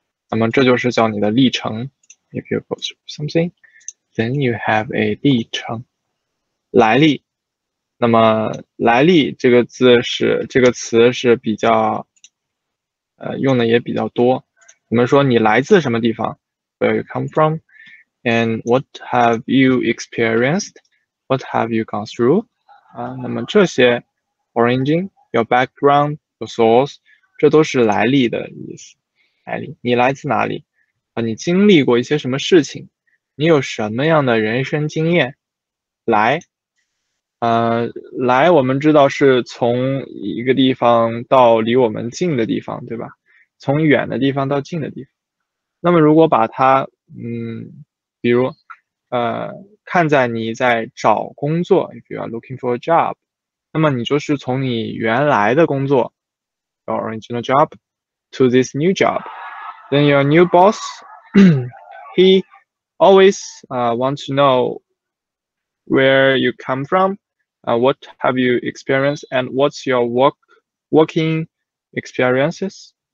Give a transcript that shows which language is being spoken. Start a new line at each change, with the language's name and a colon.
Chinese: 那么这就是叫你的历程。
English: If you go through something, then you have a 历程。
Chinese: 来历。那么来历这个字是这个词是比较用的也比较多。我们说你来自什么地方 ?
English: Where you come from? And what have you experienced? What have you gone through?
Chinese: 那么这些 origin,
English: your background, your source,
Chinese: 这都是来历的意思。你来自哪里你经历过一些什么事情你有什么样的人生经验？来，来，我们知道是从一个地方到离我们近的地方，对吧？从远的地方到近的地方。那么，如果把它，比如，看在你在找工作，
English: if you are looking for a job，
Chinese: 那么你就是从你原来的工作，
English: your original job to this new job，then your new boss he always want to know where you come from, what have you experienced, and what's your working experiences？